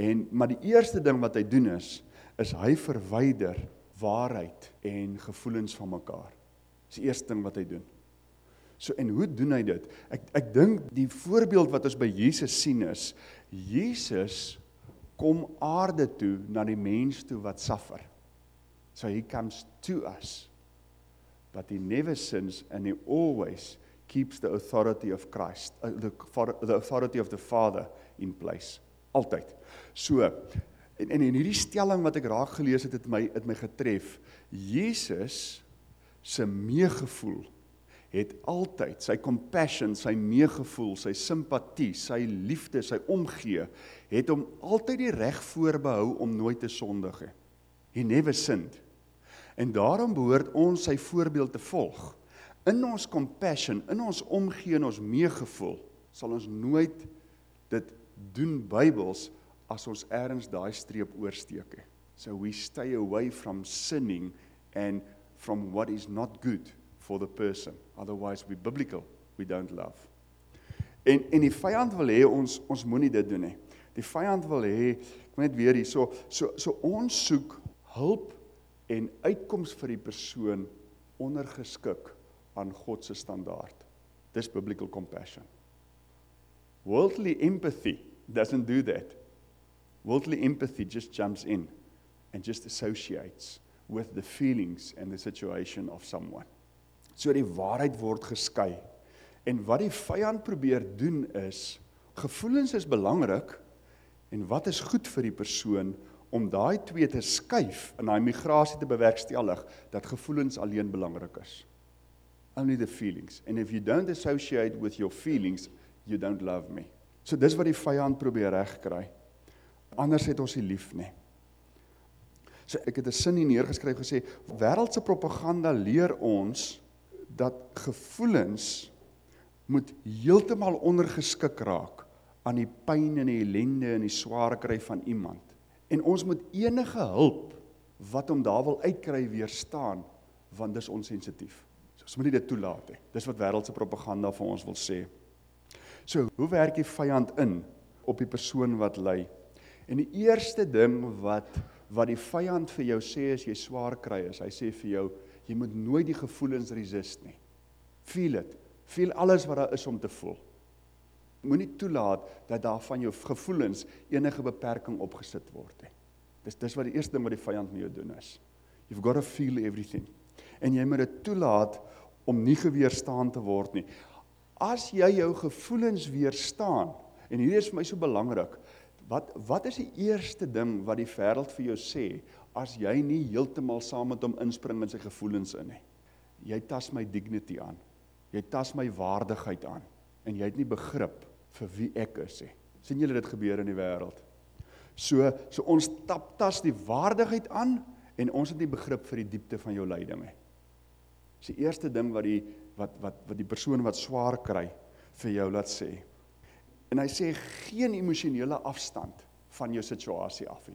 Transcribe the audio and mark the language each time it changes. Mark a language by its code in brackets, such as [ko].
[af] Maar die eerste ding wat hy doen is hy verwyder waarheid en gevoelens van mekaar. Dis die eerste ding wat hy doen. So en hoe doen hy dit? Ek dink die voorbeeld wat ons by Jesus sien is, Jesus kom aarde toe, na die mens toe wat suffer. [en] So he comes to us, but he never sins and he always keeps the authority of Christ, the authority of the Father in place. [af] Altyd. So, en hierdie stelling wat ek raak gelees het, het my getref. Jesus se meegevoel het altyd sy compassion, sy meegevoel, sy simpatie, sy liefde, sy omgee, het hom altyd die reg voorbehou om nooit te sondig. [en] He never sinned. [af] En daarom behoort ons sy voorbeeld te volg. In ons compassion, in ons omgee en ons meegevoel, sal ons nooit dit doen bybels as ons ergens daai streep oorsteek. [en] So we stay away from sinning and from what is not good for the person. Otherwise we biblical, we don't love. [af] En die vyand wil hê ons moet nie dit doen nie. Die vyand wil hê, ek moet net weer hier, so ons soek hulp en uitkoms vir die persoon ondergeskik aan God se standaard. [en] Dis biblical compassion. Worldly empathy doesn't do that. Worldly empathy just jumps in and just associates with the feelings and the situation of someone. [af] So die waarheid word geskei. En wat die vyand probeer doen is, gevoelens is belangrik, en wat is goed vir die persoon, om daai twee te skuif in daai migrasie te bewerkstellig, dat gevoelens alleen belangrik is. [en] Only the feelings. And if you don't associate with your feelings, you don't love me. [af] So dis wat die vyand probeer regkry. Anders het ons nie lief nie. So ek het 'n sin hier neergeskryf gesê, wêreldse propaganda leer ons dat gevoelens moet heeltemal ondergeskik raak aan die pyn en die ellende en die swaarkry van iemand. En ons moet enige hulp wat om daar wil uitkry weerstaan, want dis onsensitief. So ons moet nie dit toelaat nie. Dis wat wêreldse propaganda vir ons wil sê. So hoe werk die vyand in op die persoon wat ly? En die eerste ding wat die vyand vir jou sê as jy swaar kry is, hy sê vir jou, jy moet nooit die gevoelens resist nie. [en] Feel it. [af] Feel alles wat daar is om te voel. Moenie toelaat dat daar van jou gevoelens enige beperking opgesit word. Dis wat die eerste ding wat die vyand met jou doen is. [en] You've got to feel everything. [af] En jy moet dit toelaat om nie geweerstaan te word nie. As jy jou gevoelens weerstaan, en hier is vir my so belangrik, Wat is die eerste ding wat die wêreld vir jou sê, as jy nie heeltemal saam met hom inspring met sy gevoelens in nie? Jy tas my dignity aan. Jy tas my waardigheid aan. En jy het nie begrip vir wie ek is nie. Sien julle dit gebeur in die wêreld? So ons tas die waardigheid aan, en ons het nie begrip vir die diepte van jou lyding nie. Dis die eerste ding wat die persoon wat swaar kry vir jou laat sê. En hy sê, geen emosionele afstand van jou situasie af.